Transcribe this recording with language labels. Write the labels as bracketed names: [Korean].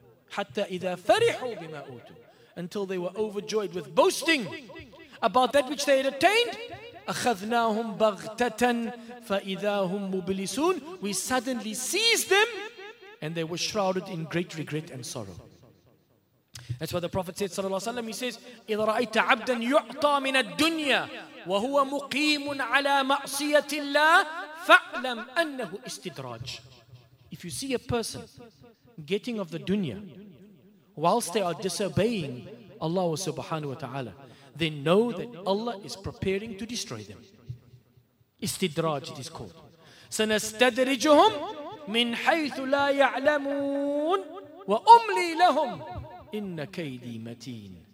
[Arabic] Hatta idha farihu bima utu. [English] Until they were overjoyed with boasting about that which they had attained. [Arabic] أَخَذْنَاهُمْ بَغْتَةً فَإِذَا هُمْ مُبْلِسُونَ. [English] We suddenly seized them and they were shrouded in great regret and sorrow. That's why the Prophet said, sallallahu alaihi wasallam, he says, [Arabic] إِذَا رَأَيْتَ عَبْدًا يُعْطَى مِنَ الدُّنْيَا وَهُوَ مُقِيمٌ عَلَى مَعْصِيَةِ اللَّهِ فَأْلَمْ أَنَّهُ إِسْتِدْرَاجٌ. [English] If you see a person getting of the dunya whilst they are disobeying Allah subhanahu wa ta'ala, they know that Allah is preparing to destroy them. Istidraj it is called. [Arabic] سَنَسْتَدْرِجُهُمْ مِنْ حَيْثُ لَا يَعْلَمُونَ وَأُمْلِي لَهُمْ إِنَّ كَيْدِي مَتِينَ.